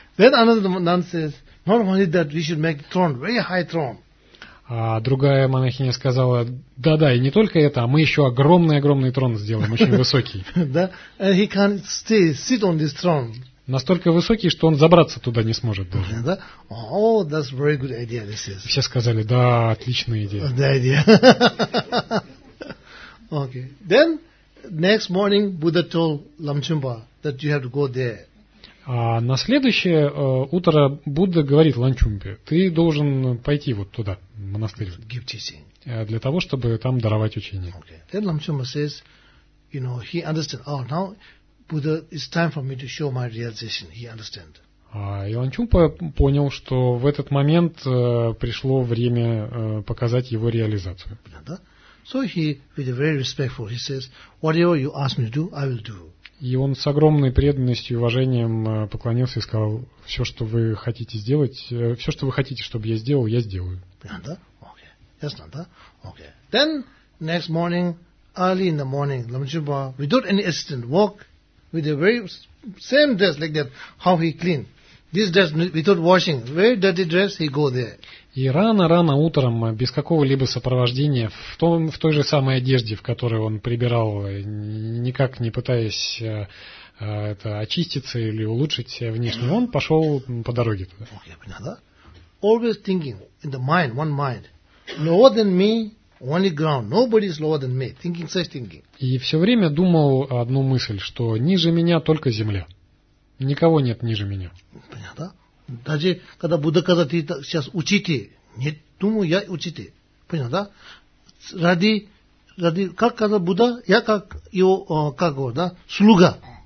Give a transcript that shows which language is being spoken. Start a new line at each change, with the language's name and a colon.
English: Then another nun says, not only that, we should make throne, very high throne.
Russian: А другая монахиня сказала, да-да, и не только это, а мы еще огромный-огромный трон сделаем, очень высокий.
English: Да, and he can't stay, sit on this throne.
Russian: Настолько высокий, что он забраться туда не сможет даже.
English: Да, oh, that's very good idea, this is.
Russian: Все сказали, да, отличная идея.
English: The idea. Okay. Then, next morning, Buddha told Lamchumpa that you have to go there.
Russian: А на следующее утро Будда говорит Ланчумпе, ты должен пойти вот туда, в монастырь,
English: give teaching.
Russian: Для того, чтобы там даровать учение.
English: Okay. Then Lamchumpa says, you know, he understands, oh, now Buddha, it's time for me to show my realization, he understand.
Russian: И Ланчумпа понял, что в этот момент пришло время показать его реализацию. So he, with a very respectful, he says, whatever you ask me to do, I will do. И он с огромной преданностью и уважением поклонился и сказал, все, что вы хотите сделать, все, что вы хотите, чтобы я сделал, я сделаю. Понятно? Okay. Ясно, да? Okay.
English: Then, next morning, early in the morning, Lamchumpa, without any assistant, walk with the very same dress like that, how he clean. This dress, without washing, very dirty dress, he go there.
Russian: И рано-рано утром, без какого-либо сопровождения, в той же самой одежде, в которой он прибирал, никак не пытаясь это очиститься или улучшить внешне, он пошел по дороге туда. Okay, понятно?
English: Always thinking in the mind, one mind, lower than me, only ground, nobody is lower than me, thinking such thinking.
Russian: И все время думал одну мысль, что ниже меня только земля. Никого нет ниже меня. Понятно? Даже когда Будда сказал, ты сейчас учите, не думаю, я учите. Понятно, да? Ради, как сказал Будда, я как его, как его, да, слуга.